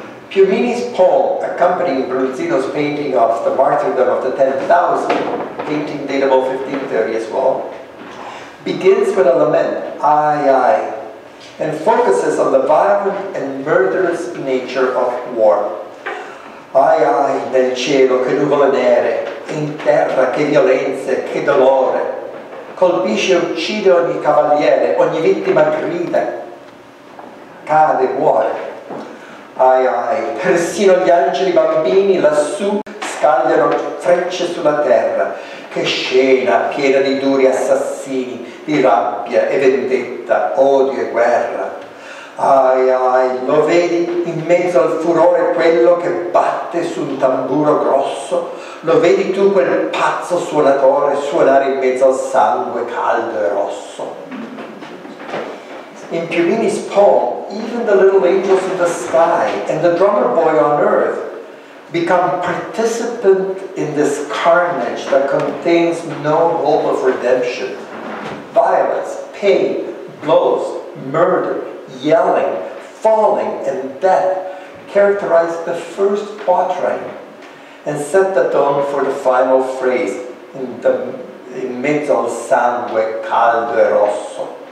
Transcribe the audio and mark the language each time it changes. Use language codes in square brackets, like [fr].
[en] Piumini's poem accompanying Bronzino's painting of the martyrdom of the 10,000, painting datable 1530 as well, begins with a lament, ay, and focuses on the violent and murderous nature of war. [it] Ay, nel cielo che nuvole nere, in terra che violenze, che dolore, colpisce e uccide ogni cavaliere, ogni vittima grida, cade, muore. Ay, persino gli angeli bambini lassù scagliano frecce sulla terra. Che scena piena di duri assassini, di rabbia e vendetta, odio e guerra. Ay, lo vedi in mezzo al furore quello che batte su un tamburo grosso? Lo vedi tu quel pazzo suonatore suonare in mezzo al sangue caldo e rosso? [en] In Piumini's poem, even the little angels in the sky and the drummer boy on earth become participants in this carnage that contains no hope of redemption. Violence, pain, blows, murder, yelling, falling, and death characterize the first quatrain and set the tone for the final phrase, [it] in mezzo al sangue caldo e rosso.